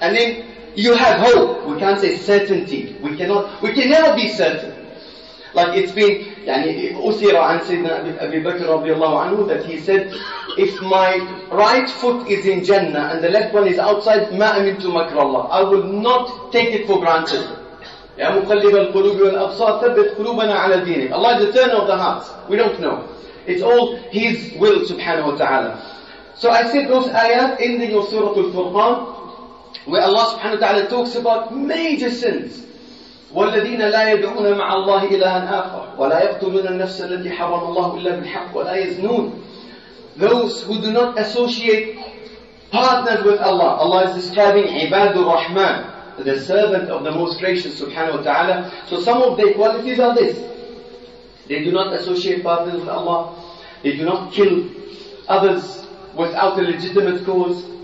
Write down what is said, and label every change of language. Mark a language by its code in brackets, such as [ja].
[en] And then you have hope. We can't say certainty. We can never be certain. Like it's been, [ar] يعني أثير عن سيدنا أبي بكر رضي الله عنه [en] that he said, if my right foot is in Jannah and the left one is outside, [ar] ما أمنت مكر الله. [en] I would not take it for granted. [ar] يا مقلب القلوب والأبصار ثبت قلوبنا على دينك. [en] Allah is the turner of the hearts. We don't know. It's all His will subhanahu wa ta'ala. So I said those ayat ending of Surah Al-Furqan where Allah subhanahu wa ta'ala talks about major sins. [ar] والذين لا يدعون مع الله إلها آخر ولا يقتلون النفس التي حرم الله إلا بالحق ولا يزنون. [en] Those who do not associate partners with Allah. Allah is describing [ar] عباد الرحمن, [en] the servant of the most gracious subhanahu wa ta'ala. So some of their qualities are this. They do not associate partners with Allah. They do not kill others without a legitimate cause.